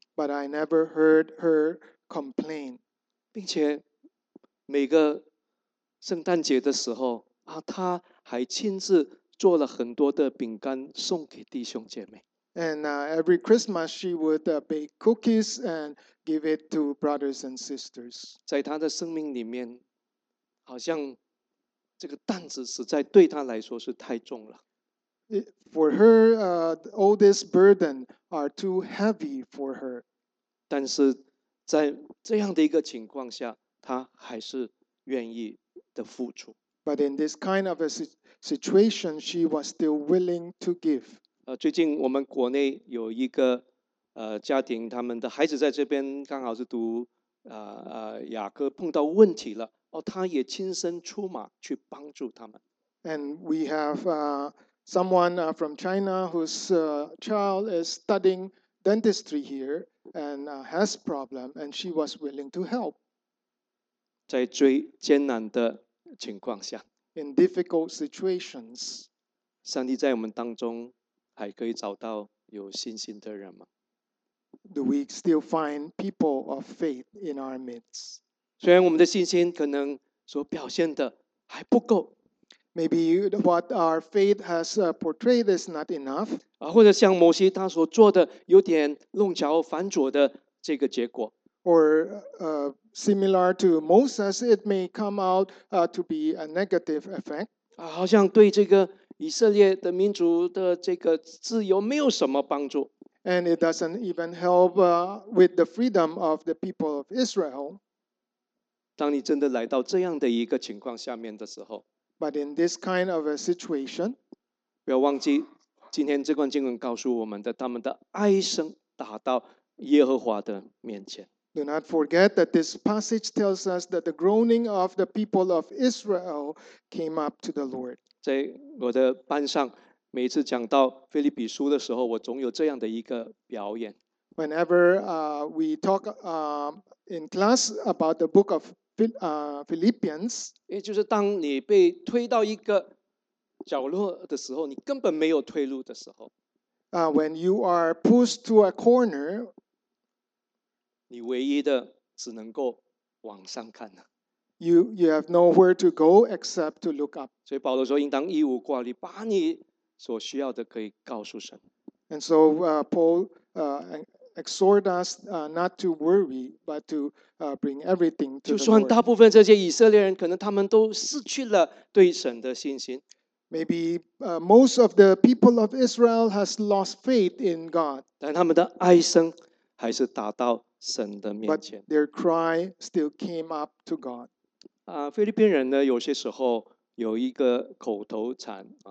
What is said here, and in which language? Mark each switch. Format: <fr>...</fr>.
<en>But I never heard her complain.</en> <zh>并且每个圣诞节的时候啊，他还亲自。做了很多的饼干送给弟兄姐妹。</zh> <en>And every Christmas she would bake cookies and give it to brothers and sisters.</en> <zh>在她的生命里面，好像这个担子实在对她来说是太重了。</zh> <en>For her, all this burden are too heavy for her.</en> <zh>但是在这样的一个情况下，她还是愿意的付出。</zh> <en>But in this kind of a situation, she was still willing to give.</en> <zh>最近我们国内有一个家庭，他们的孩子在这边刚好是读雅各，碰到问题了。哦，他也亲身出马去帮助他们。</zh> <en>And we have someone from China whose child is studying dentistry here and has problem, and she was willing to help.</en> <zh>在最艰难的情况下</zh> <en>，In difficult situations，</en> <zh>上帝在我们当中还可以找到有信心的人吗</zh> <en>？Do we still find people of faith in our midst？</en> <zh>虽然我们的信心可能所表现的还不够</zh> <en>，Maybe what our faith has portrayed is not enough，</en> <zh>或者像摩西他所做的有点弄巧反拙的这个结果。</zh> <en>Or similar to Moses, it may come out to be a negative effect.</en> <zh>好像对这个以色列的民族的这个自由没有什么帮助。</zh> <en>And it doesn't even help with the freedom of the people of Israel.</en> <zh>当你真的来到这样的一个情况下面的时候</zh> <en>，But in this kind of a situation,</en> <zh>不要忘记今天这段经文告诉我们的，他们的哀声达到耶和华的面前。</zh> <en>Do not forget that this passage tells us that the groaning of the people of Israel came up to the Lord.</en> <zh>在我的班上，每次讲到腓立比书的时候，我总有这样的一个表演。</zh> <en>Whenever we talk in class about the book of Philippians,</en> <zh>也就是当你被推到一个角落的时候，你根本没有退路的时候。</zh> <en>When you are pushed to a corner.</en> <zh>你唯一的只能够往上看了。</zh> <en>You have nowhere to go except to look up.</en> <zh>所以保罗说，应当一无挂虑，把你所需要的可以告诉神。</zh> <en>And so Paul exhort us not to worry, but to bring everything to the Lord.</en> <zh>就算大部分这些以色列人可能他们都失去了对神的信心。</zh> <en>Maybe most of the people of Israel has lost faith in God.</en> <zh>但他们的哀声还是打到神的面前。</zh> <en>But their cry still came up to God.</en> <zh>菲律宾人呢，有些时候有一个口头禅。</zh>